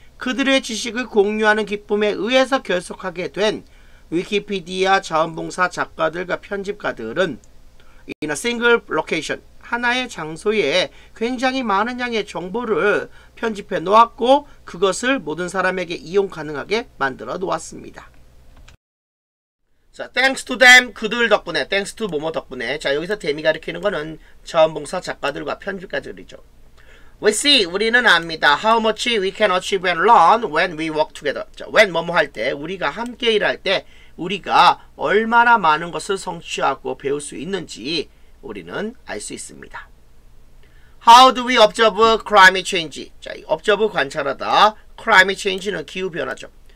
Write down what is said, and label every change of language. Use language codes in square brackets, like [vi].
[ko] 그들의 지식을 공유하는 기쁨에 의해서 결속하게 된 위키피디아 자원봉사 작가들과 편집가들은 [en] in a single location, [ko] 하나의 장소에 굉장히 많은 양의 정보를 편집해 놓았고 그것을 모든 사람에게 이용 가능하게 만들어 놓았습니다. 자, [en] thanks to them, [ko] 그들 덕분에, [en] thanks to [ko] 뭐뭐 덕분에. 자, 여기서 them이 가리키는 거는 자원봉사 작가들과 편집가들이죠. [en] We see, [ko] 우리는 압니다. [en] How much we can achieve and learn when we work together. [ko] 자, when 뭐뭐 할 때, 우리가 함께 일할 때 우리가 얼마나 많은 것을 성취하고 배울 수 있는지 우리는 알 수 있습니다. [en] How do we observe climate change? [ko] 자, observe 관찰하다. Climate change는 기후변화죠.